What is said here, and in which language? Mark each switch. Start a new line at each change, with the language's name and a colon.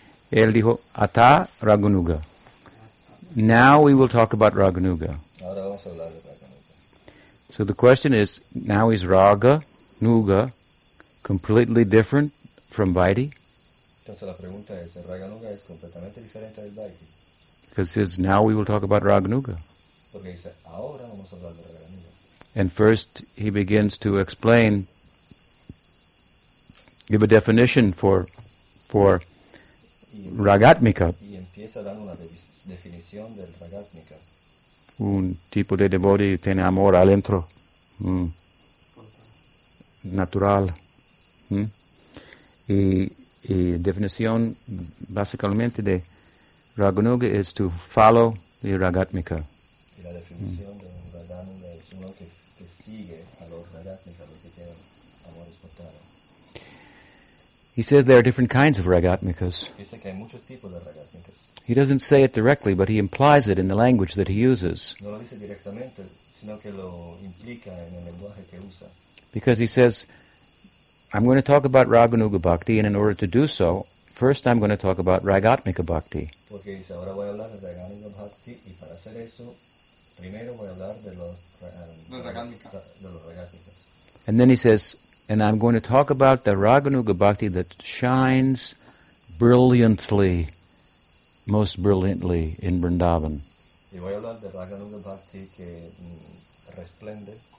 Spanish: Él dijo,
English: Atá Raganuga. Now we will talk about Raganuga.
Spanish: Ahora vamos a hablar de Raganuga.
English: So the question is, now is Raganuga completely different from Vaidhi?
Spanish: Entonces la pregunta es, ¿Raganuga es completamente diferente del Vaidhi?
English: Because it says, now we will talk about Raganuga.
Spanish: Porque dice, ahora vamos a hablar de Raganuga.
English: And first, he begins to explain, give a definition for ragatmika.
Spanish: Y empieza dando una definición del ragatmika. Un tipo de devoto tiene amor adentro, natural. Y definición básicamente de Raganuga
English: is to follow the ragatmika.
Spanish: Y la definición de un ragatmika es uno que sigue a los ragatmika, los que tienen amor espontáneo.
English: He says there are different kinds of ragatmikas.
Spanish: Dice que hay muchos tipos de ragatmikas.
English: He doesn't say it directly, but he implies it in the language that he uses.
Spanish: No lo dice directamente, sino que lo implica en el lenguaje que usa.
English: Because he says, I'm going to talk about Raganuga Bhakti, and in order to do so, first I'm going to talk about Ragatmika Bhakti.
Spanish: Porque dice, ahora voy a hablar de Raganuga Bhakti, y para hacer eso, primero voy a hablar de los ragatmikas.
English: And then he says, and I'm going to talk about the Raganuga Bhakti that shines brilliantly, most brilliantly in Vrindavan.
Spanish: Y voy a hablar de Raganuga Bhakti que resplende.